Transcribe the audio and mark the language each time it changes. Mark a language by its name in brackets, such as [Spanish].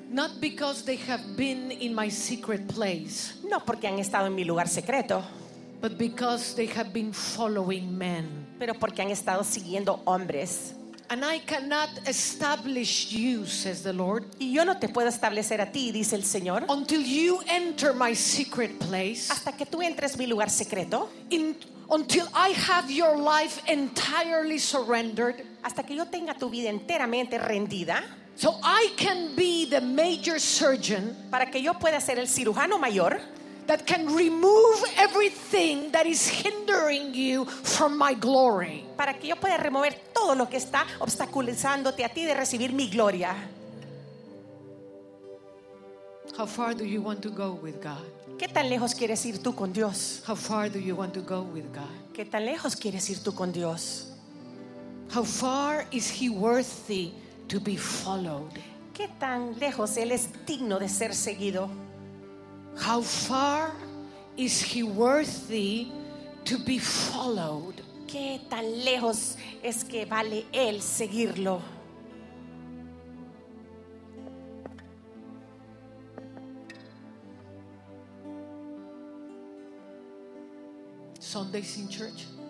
[English] Not because they have been in my secret place. [Spanish] No porque han estado en mi lugar secreto. [English] But because they have been following men. [Spanish] Pero porque han estado siguiendo hombres. [English] And I cannot establish you, says the Lord. [Spanish] Y yo no te puedo establecer a ti, dice el Señor. [English] Until you enter my secret place. [Spanish] Hasta que tú entres mi lugar secreto. [English] Until I have your life entirely surrendered. [Spanish] Hasta que yo tenga tu vida enteramente rendida. [English] So I can be the major surgeon. [Spanish] Para que yo pueda ser el cirujano mayor. [English] That can remove everything that is hindering you from my glory. [Spanish] Para que yo pueda remover todo lo que está obstaculizándote a ti de recibir mi gloria. [English] How far do you want to go with God? [Spanish] ¿Qué tan lejos quieres ir tú con Dios? [English] How far do you want to go with God? [Spanish] ¿Qué tan lejos quieres ir tú con Dios? [English] How far is he worthy to be followed? [Spanish] ¿Qué tan lejos él es digno de ser seguido? [English] How far is he worthy to be followed? [Spanish] ¿Qué tan lejos es que vale él seguirlo? [English] Sundays in church.